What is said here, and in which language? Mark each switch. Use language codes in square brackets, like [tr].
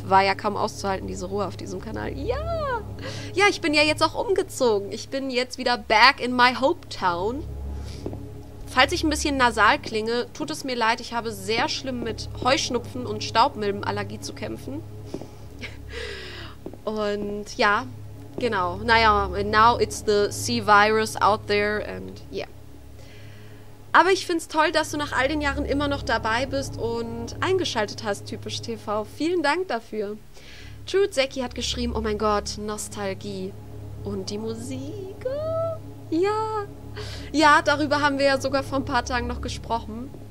[de] War ja kaum auszuhalten, diese Ruhe auf diesem Kanal. Ja! Ja, ich bin ja jetzt auch umgezogen. Ich bin jetzt wieder [en] back in my hometown. [de] Falls ich ein bisschen nasal klinge, tut es mir leid. Ich habe sehr schlimm mit Heuschnupfen und Staubmilbenallergie zu kämpfen. Und ja, genau, naja, [en] and now it's the C-Virus out there, and yeah. [de] Aber ich find's toll, dass du nach all den Jahren immer noch dabei bist und eingeschaltet hast, Typisch TV. Vielen Dank dafür. True Zeki hat geschrieben, oh mein Gott, Nostalgie. Und die Musik, ja. Ja, darüber haben wir ja sogar vor ein paar Tagen noch gesprochen.